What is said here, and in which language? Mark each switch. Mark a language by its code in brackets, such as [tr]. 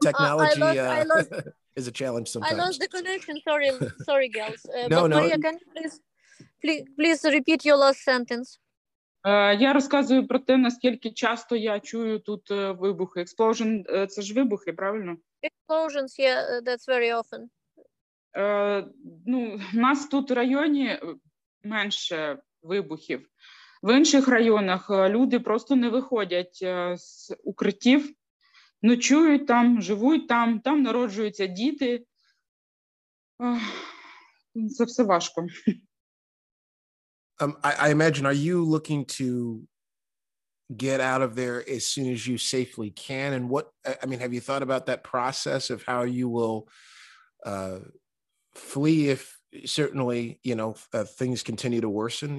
[en] Technology is a challenge sometimes. I lost the connection. Sorry, girls. No. Maria, can you please repeat your last sentence? [uk] Я розказую про те, наскільки часто я чую тут вибухи. Explosion – це ж вибухи, правильно? [en] Explosions, yeah, that's very often. [uk] Ну, в нас тут в районі менше вибухів. В інших районах люди просто не виходять з укриттів, ночують там, живуть там, там народжуються діти. Це все важко. [en] I imagine, are you looking to get out of there as soon as you safely can? And what, I mean, have you thought about that process of how you will flee if certainly, you know, things continue to worsen?